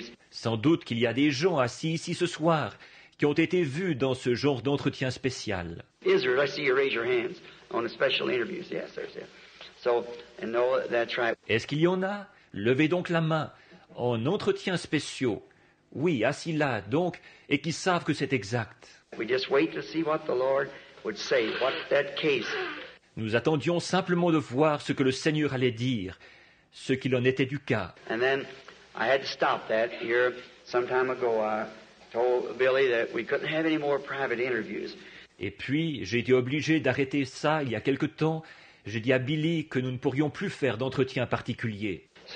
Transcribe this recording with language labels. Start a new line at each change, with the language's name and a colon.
French: Sans doute qu'il y a des gens assis ici ce soir qui ont été vus dans ce genre d'entretien spécial. Israël, je vois que vous levez vos mains.
English: On a special interviews, yes, there's that. So, and no, that's right.
French: Est-ce qu'il y en a? Levez donc la main. En entretien spéciaux. Oui, assis là, donc, et qui savent que c'est exact.
English: We just wait to see what the Lord would say, what that case.
French: Nous attendions simplement de voir ce que le Seigneur allait dire, ce qu'il en était du cas.
English: And then I had to stop that here some time ago. I told Billy that we couldn't have any more private interviews.
French: Et puis, j'ai été obligé d'arrêter ça il y a quelque temps. J'ai dit à Billy que nous ne pourrions plus faire d'entretien particulier.